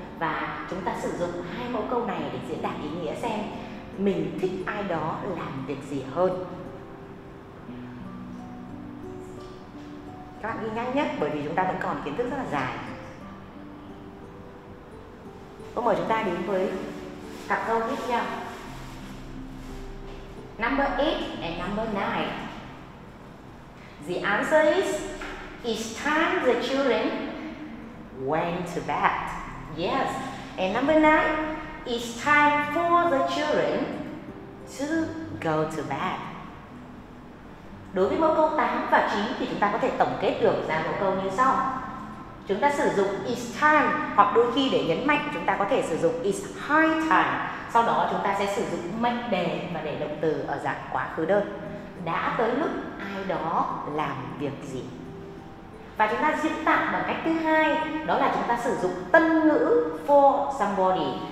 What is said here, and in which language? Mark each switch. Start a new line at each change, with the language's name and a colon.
Vietnamese: Và chúng ta sử dụng hai mẫu câu này để diễn đạt ý nghĩa xem mình thích ai đó làm việc gì hơn. Các bạn ghi nhanh nhất bởi vì chúng ta vẫn còn kiến thức rất là dài. Cô mời chúng ta đến với cặp câu tiếp theo.
English: Number 8 and number 9. The answer is, it's time the children went to bed. Yes, and number 9, it's time for the children to go to bed.
Vietnamese: Đối với mẫu câu 8 và 9 thì chúng ta có thể tổng kết được ra mẫu câu như sau. Chúng ta sử dụng
English: it's time,
Vietnamese: hoặc đôi khi để nhấn mạnh chúng ta có thể sử dụng
English: it's high time.
Vietnamese: Sau đó chúng ta sẽ sử dụng mệnh đề và để động từ ở dạng quá khứ đơn. Đã tới lúc ai đó làm việc gì? Và chúng ta diễn tả bằng cách thứ hai, đó là chúng ta sử dụng tân ngữ
English: for somebody.